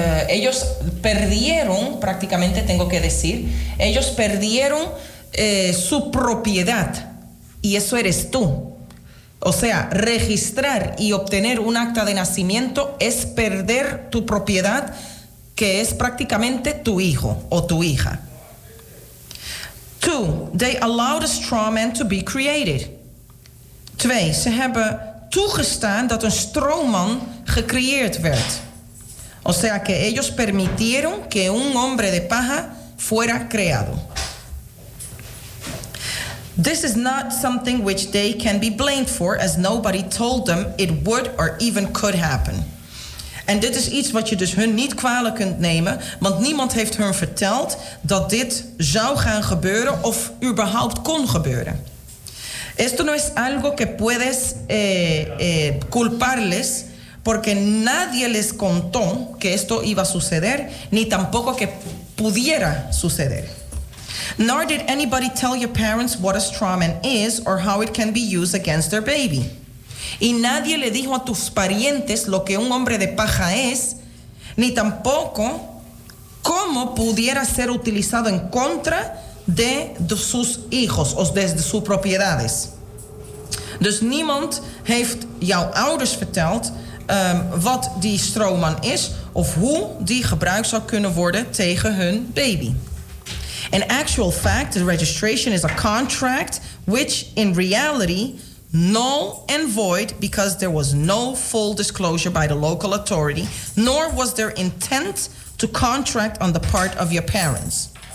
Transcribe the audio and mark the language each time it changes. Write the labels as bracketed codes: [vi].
[es] Ellos perdieron, prácticamente tengo que decir, ellos perdieron su propiedad. Y eso eres tú. O sea, registrar y obtener un acta de nacimiento es perder tu propiedad, que es prácticamente tu hijo o tu hija. 2. [en] They allowed a straw man to be created. 2. [nl] Ze hebben toegestaan dat een stroomman gecreëerd werd. [es] O sea, que ellos permitieron que un hombre de paja fuera creado. [en] This is not something which they can be blamed for, as nobody told them it would or even could happen. [nl] En dit is iets wat je dus hun niet kwalijk kunt nemen, want niemand heeft hun verteld dat dit zou gaan gebeuren of überhaupt kon gebeuren. [es] Esto no es algo que puedes culparles, porque nadie les contó que esto iba a suceder, ni tampoco que pudiera suceder. [en] Nor did anybody tell your parents what a straw man is or how it can be used against their baby. [es] Y nadie le dijo a tus parientes lo que un hombre de paja es, ni tampoco cómo pudiera ser utilizado en contra de sus hijos o de sus propiedades. [nl] Dus niemand heeft jouw ouders verteld wat die stroomman is of hoe die gebruikt zou kunnen worden tegen hun baby. [en] In actual fact, the registration is a contract which, in reality, null and void because there was no full disclosure by the local authority, nor was there intent to contract on the part of your parents.